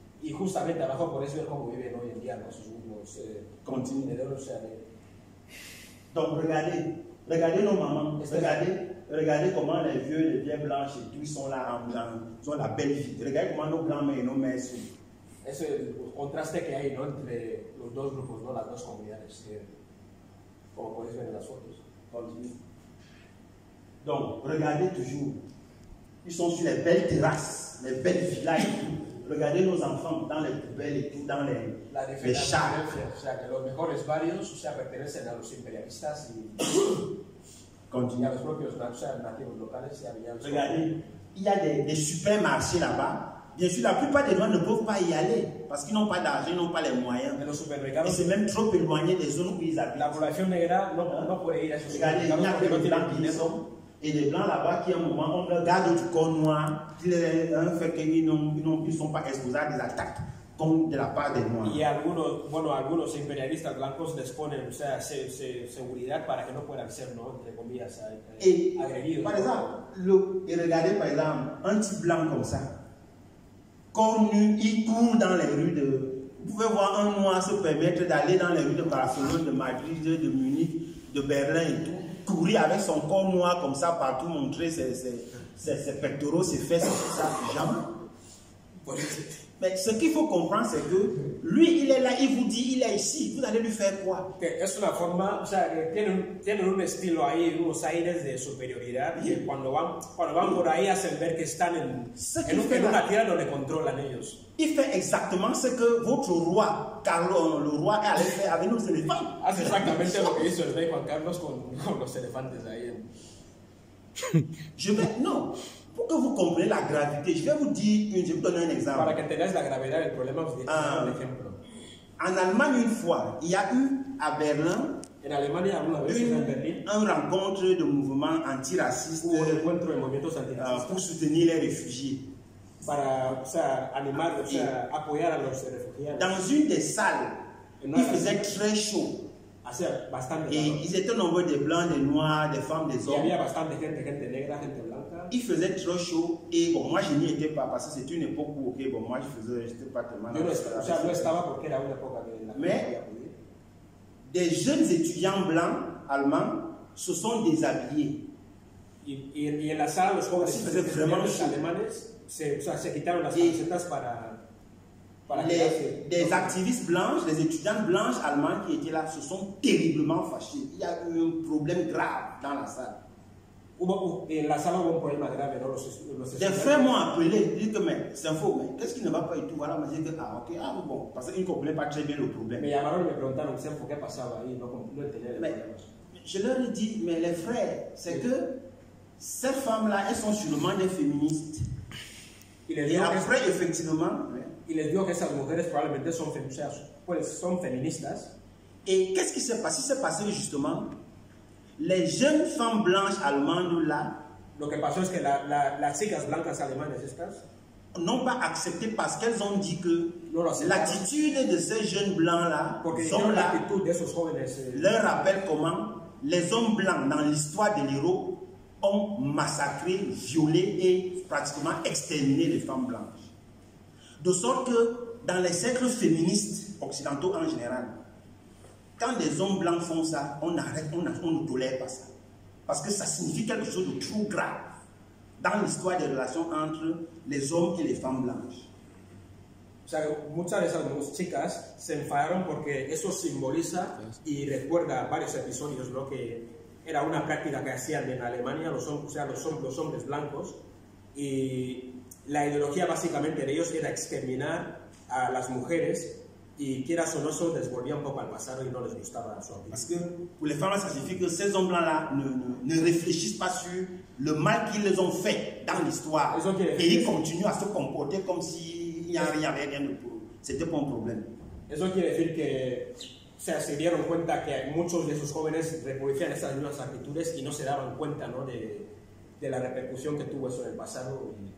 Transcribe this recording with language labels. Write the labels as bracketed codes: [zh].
[es] Y justamente abajo por eso es como viven hoy en día nuestros contenedores, o sea, de... [fr] Donc, regardez nos mamans, regardez comment les vieux, les bien blancs et tout, ils sont là en blanc, ils ont la belle vie. Regardez comment nos grands-mères et nos mères sont. [es] Es el contraste que hay, ¿no?, entre los dos grupos, ¿no?, las dos comunidades, que, como podéis ver en las fotos. [fr] Continue. Donc, regardez toujours, ils sont sur les belles terrasses, les belles villas et tout. Regardez nos enfants dans les poubelles et tout, dans les chars. [es] Los mejores barrios, o sea, pertenecen a los imperialistas y [fr] continuez. [es] Y a los propios, o sea, nativos locales. Y [fr] regardez, il y a des supermarchés là-bas. Bien sûr, la plupart des gens ne peuvent pas y aller parce qu'ils n'ont pas d'argent, ils n'ont pas les moyens. [es] Los supermercados, [fr] et c'est même trop éloigné des zones où ils habitent. [es] La población negra no, ah, no puede ir a esos [fr] regardez, [es] supermercados. [fr] Regardez, il y a des blancs. Et les Blancs là-bas qui, à un moment, ont leur garde du corps noir, qui fait qu'ils ne sont pas exposés à des attaques comme de la part des Noirs. [es] Et algunos, bueno, algunos imperialistas blancos les ponen, o sea, seguridad para que no puedan ser, ¿no?, entre comillas, agredidos. [fr] Par exemple, et regardez, par exemple, un type blanc comme ça, corps nu, il court dans les rues de... Vous pouvez voir un Noir se permettre d'aller dans les rues de Barcelone, de Madrid, de Munich, de Berlin et tout, courir avec son corps noir comme ça, partout montrer ses pectoraux, ses fesses, tout ça, jamais. Mais ce qu'il faut comprendre, c'est que lui, il est là, il vous dit, il est ici, vous allez lui faire quoi? [es] Es una forma, o sea, tienen un estilo ahí, unos aires de superioridad, y cuando van por ahí, hacen ver que están en una tierra donde controlan ellos. [fr] Il fait exactement ce que votre roi, Carlos, le roi, est allé faire avec nos éléphants. [es] Hace exactamente lo que hizo el rey Juan Carlos con los elefantes ahí. [fr] Je vais, non, pour que vous compreniez la gravité, je vais vous dire, je vais vous donner un exemple. [es] Para que tengáis la gravedad del problema, [fr] vous dites un exemple. En Allemagne, une fois, il y a eu à Berlin. En Allemagne, il y a eu à Berlin. Une rencontre de mouvement antiraciste. Un rencontre de [es] movimientos antiracistas. [fr] Pour soutenir les réfugiés. [es] Para, o sea, animar, o sea, apoyar a los refugiados. [fr] Dans une des salles, il faisait très chaud. [es] Hacía bastante calor. [fr] Et ils étaient nombreux de blancs, de noirs, de femmes, des hommes. [es] Y había bastante gente negra, gente blanca. [fr] Il faisait très chaud et bon, moi je n'y étais pas parce que c'était une époque où, ok, bon, moi j'étais pas tellement. [es] Yo estaba porque era una época de la. [fr] Mais des jeunes étudiants blancs allemands se sont déshabillés. [es] Y en la sala los jóvenes estudiantes alemanes. Se quitaron las camisetas para [fr] les activistes blancs, les étudiants blancs allemands qui étaient là se sont terriblement fâchés. Il y a eu un problème grave dans la salle. [es] En la sala hubo un problema grave, ¿no? [fr] Des frères m'ont appelé, dit que mais c'est un faux, mais qu'est-ce qui ne va pas et tout? Voilà, mais j'ai dit ah ok, ah bon, parce qu'ils ne comprenaient pas très bien le problème. [es] Me llamaron y me preguntaron si fue que pasaba ahí, no entendía el problema. [fr] Je leur ai dit, mais les frères, c'est que ces femmes-là, elles sont sûrement des féministes. [es] Y les digo que esas mujeres probablemente son, o sea, pues son feministas. Y qué es que se pasó, justamente, las jóvenes [fr] femmes [es] blancas [fr] allemandes là, [es] lo que pasó es que las chicas blancas alemanas estas, no han aceptado porque ellas han dicho que la actitud de esos jóvenes blancos là, porque son la actitud de esos jóvenes, [fr] les rappelle [es] cómo los hombres blancos en la historia [fr] de l'Europe ont massacré, violé et pratiquement exterminé les femmes blanches. De sorte que dans les cercles féministes occidentaux en général, quand des hommes blancs font ça, on ne tolère pas ça. Parce que ça signifie quelque chose de trop grave dans l'histoire des relations entre les hommes et les femmes blanches. [es] O sea, muchas de esas chicas se enfadaron porque eso simboliza y recuerda varios episodios lo que era una práctica que hacían en Alemania los hombres blancos, y la ideología básicamente de ellos era exterminar a las mujeres Y quieras o no, eso les volvía un poco al pasado y no les gustaba su vida. [fr] Parce que pour les femmes, ça signifie que ces [es] hombres- [fr] là ne réfléchissent pas sur le mal qu'ils les ont fait dans l'histoire. Et ils continuent à se comporter comme s'il n'y avait rien de pour. C'était pas un problème. [es] Eso quiere decir que se dieron cuenta que muchos de esos jóvenes reproducían esas mismas actitudes y no se daban cuenta, ¿no? De la repercusión que tuvo eso en el pasado.